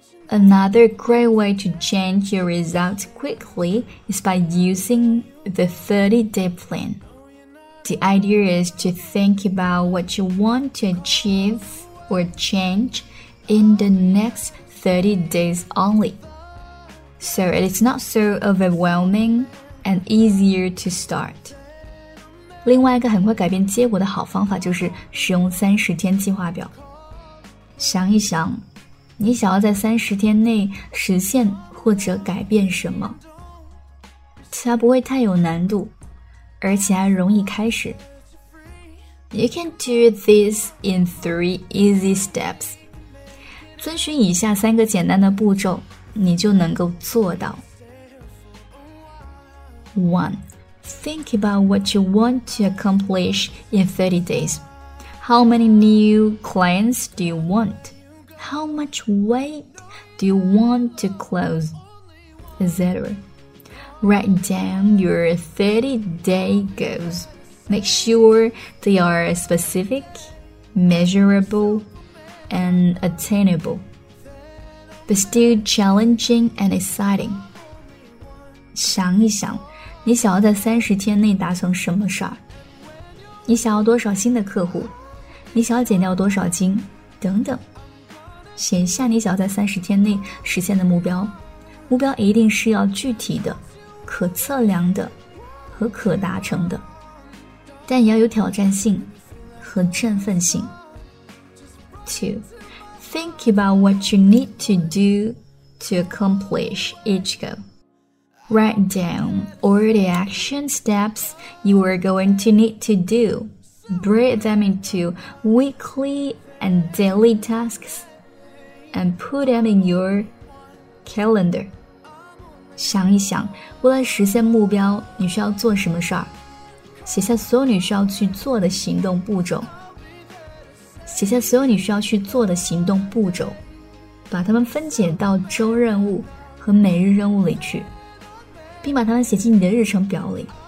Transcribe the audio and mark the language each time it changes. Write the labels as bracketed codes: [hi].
[en] Another great way to change your results quickly is by using the 30-day plan. The idea is to think about what you want to achieve or change in the next 30 days only. So it is not so overwhelming and easier to start. [zh] 另外一个很快改变结果的好方法就是使用30天计划表。想一想，你想要在30天内实现或者改变什么？它不会太有难度，而且还容易开始。 [en] You can do this in 3 easy steps. [zh] 遵循以下三个简单的步骤。你就能够做到。 1. [en] Think about what you want to accomplish in 30 days. How many new clients do you want? How much weight do you want to close? Etc. Write down your 30-day goals. Make sure they are specific, measurable, and attainable. But still challenging and exciting. [zh] 想一想，你想要在30天内达成什么事儿？你想要多少新的客户？你想要减掉多少斤？等等。写下你想要在30天内实现的目标。目标一定是要具体的、可测量的和可达成的，但也要有挑战性和振奋性。 2. [en] Think about what you need to do to accomplish each goal. Write down all the action steps you are going to need to do. Break them into weekly and daily tasks and put them in your calendar. [zh] 想一想，为了实现目标，你需要做什么事儿？写下所有你需要去做的行动步骤。写下所有你需要去做的行动步骤，把它们分解到周任务和每日任务里去，并把它们写进你的日程表里。